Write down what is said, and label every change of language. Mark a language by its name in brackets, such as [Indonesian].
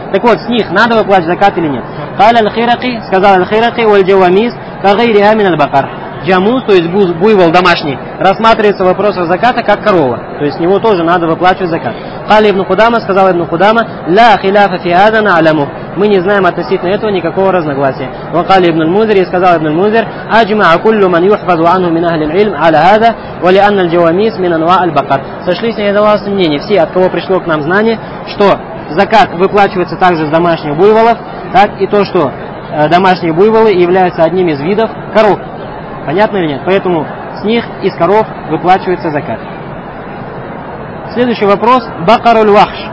[Russian] Так вот, с них надо выплачивать закат или нет? [Arabic] Каля аль-хираки, [Russian] сказал аль-хираки, [Arabic] уль-джавамис, кагайри амин аль-бакар. [Russian] Джамус, то есть буйвол домашний, рассматривается в вопросах заката как корова. То есть с него тоже надо выплачивать закат. [Arabic] Каля ибн Худама, [Russian] сказал ибн Худама, [Arabic] ля хиляфа фиадана аляму. [Russian] Мы не знаем относительно этого никакого разногласия. [Arabic] وقال ابن المنذر [Russian] и сказал [Arabic] ابن المنذر اجمع كل من يحفظ عنه من اهل العلم على هذا ولان الجواميس من انواع البقر. [Russian] Сошлись единогласно мнения все, от кого пришло к нам знание, что закат выплачивается также с домашних буйволов, так и то, что домашние буйволы являются одним из видов коров. Понятно или нет? Поэтому с них из коров выплачивается закат. Следующий вопрос. [Arabic] Бакаруль вахш.